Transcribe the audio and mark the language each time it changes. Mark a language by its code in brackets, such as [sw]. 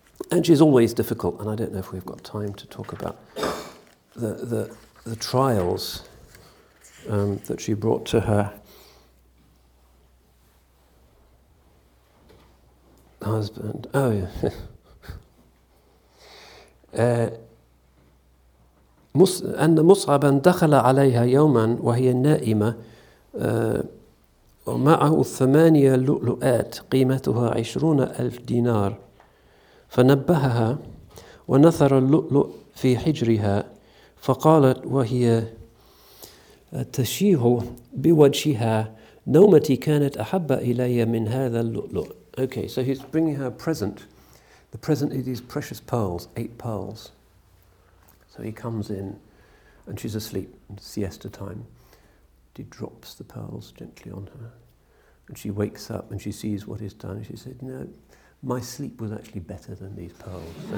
[en] And she's always difficult, and I don't know if we've got time to talk about the trials that she brought to her husband. Oh, yeah. [ar] أن مصعبا دخل عليها يوما وهي نائمة ومعه ثمانية لؤلؤات قيمتها 20,000 دينار فنبهها ونثر اللؤلؤ في حجرها فقالت وهي تشيه بوجهها نومتي كانت أحب إلي من هذا اللؤلؤ. [en] Okay, so he's bringing her a present. The present is these precious pearls, 8 pearls. So he comes in and she's asleep, it's siesta time. He drops the pearls gently on her. And she wakes up and she sees what he's done. She said, no, my sleep was actually better than these pearls.